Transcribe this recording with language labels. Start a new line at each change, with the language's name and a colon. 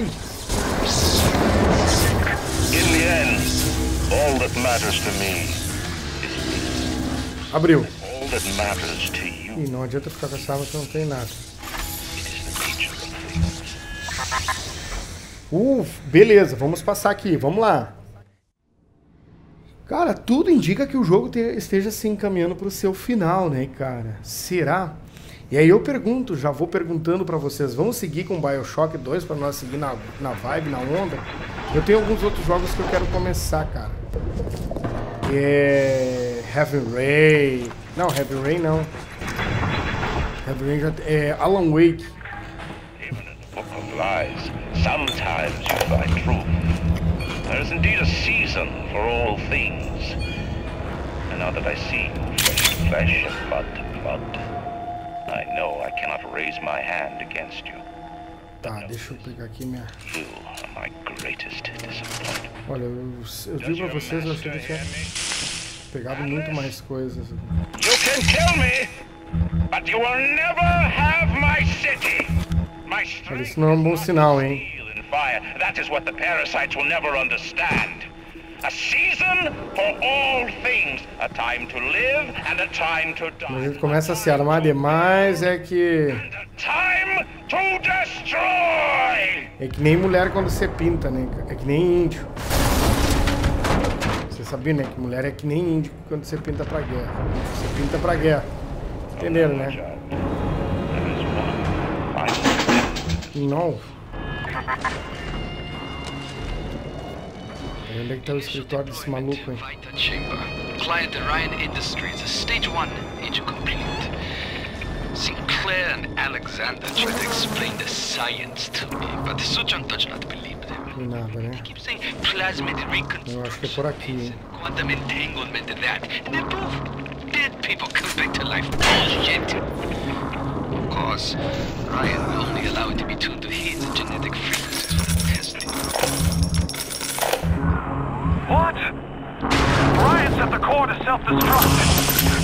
English: In the end, all that matters to me is peace.
Portuguese: Abriu.
English: All that matters to you.
Portuguese: Ih, não adianta ficar com essa arma que não tem nada. Beleza, vamos passar aqui, vamos lá. Cara, tudo indica que o jogo esteja se encaminhando pro seu final, né, cara? Será? E aí eu pergunto, já vou perguntando pra vocês, vamos seguir com BioShock 2 pra nós seguir na vibe, na onda? Eu tenho alguns outros jogos que eu quero começar, cara. É... Heavy Rain... Não, Heavy Rain não. Heavy Rain já... É... Alan Wake. Book of lies.
English: Sometimes you find truth. There is indeed a season for all things. And now that I see flesh and blood to blood... I know I cannot raise my hand against you.
Portuguese: Tá, deixa eu pegar aqui minha.
English: You are my greatest disappointment.
Portuguese: Olha, eu digo pra vocês, eu achei que tinha pegado muito mais coisas.
English: You can kill me, but you will never have my city. My strength.
Portuguese: Isso não é um bom sinal, hein?
English: That is what the parasites will never understand. A season for all things, a time to live and a time to die.
Portuguese: Mas ele começa a se armar demais, é que.
English: And a time to destroy.
Portuguese: É que nem mulher quando você pinta, né? É que nem índio. Você sabia, né? Que mulher é que nem índio quando você pinta pra guerra. Você pinta pra guerra. Entenderam, né? Não. Onde é que tá o escritório desse maluco, hein?
English: Vita Chamber. Client Orion Industries, stage 1, age complete. Sinclair and Alexander tried to explain the science to me, but the Sujan does not believe them.
Portuguese: Nada, né?
English: Keep saying plasmid reconstruction.
Portuguese: Eu acho que é por aqui, hein?
English: Quantum entanglement and that. And they're both dead people come back to life. Bullshit! Of course, Ryan will only allow it to be tuned to his genetic frequencies for the testing. What? Brian set the core to self-destruct.